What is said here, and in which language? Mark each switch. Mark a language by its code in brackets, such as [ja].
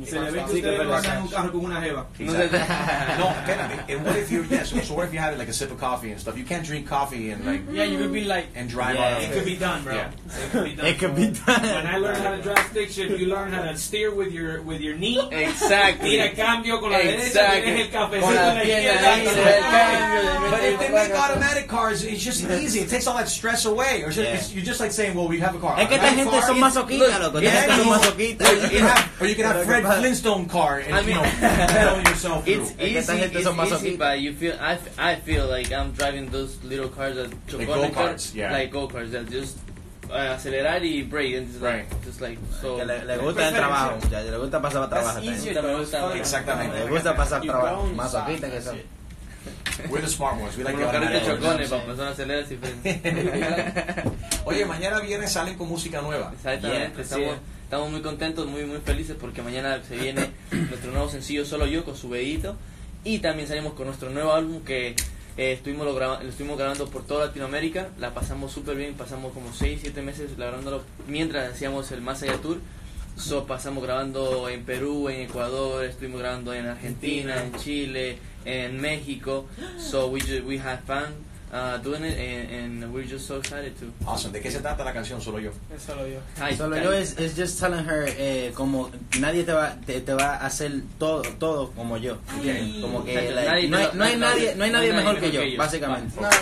[es] Se le ve que usted va a sacar un carro con una jeva. No, espérate. [en] And what if you're, yes, So what if you had like a sip of coffee and stuff? You can't drink coffee and like. Yeah, you could be like. And drive. Yeah, out it could be done, bro. Yeah. It could be done. When I learned how to drive stick shift, you learn how to steer with your knee. Exactly. [es] Y a cambio con la derecha tienes el cafecito. [en] But if they make automatic cars, it's just easy. It takes all that stress away. Or just, yeah. You're just like saying, well, we have a car. [es] Es que esta gente son masoquistas, loco. Yeah, son masoquistas. [en] Or you can have Fred Flintstone car and, you know, pedal yourself through. It's easy, but you feel, I feel like I'm driving those little cars that chocolate like go-karts, yeah. Like go-karts that just [es] acelerar y [en] brake and just, right. Like, just like so. [es] Que le gusta el trabajo, muchachos. Le gusta pasar para trabajar. [en] That's easier to understand. [es] Exactamente. Le gusta pasar trabajo. Masoquistas que son. [en] We're the smart ones. We like the automatic [es] chocones. Oye, mañana viernes salen con música nueva. Exactamente. Estamos muy contentos, muy muy felices porque mañana se viene nuestro nuevo sencillo Solo Yo con su bebito. Y también salimos con nuestro nuevo álbum que estuvimos grabando por toda Latinoamérica. La pasamos súper bien, pasamos como 6-7 meses grabándolo mientras hacíamos el Más Allá Tour. [en] So, [es] pasamos grabando en Perú, en Ecuador, estuvimos grabando en Argentina, en Chile, en México. [en] So we had fun doing it and we're just so excited to. Awesome. [es] ¿De qué se trata la canción Solo Yo? Es Solo Yo. [en] Hi, Solo Yo is just telling her [es] como nadie te va a hacer todo como yo. Ay. Como que no hay nadie mejor que yo, básicamente.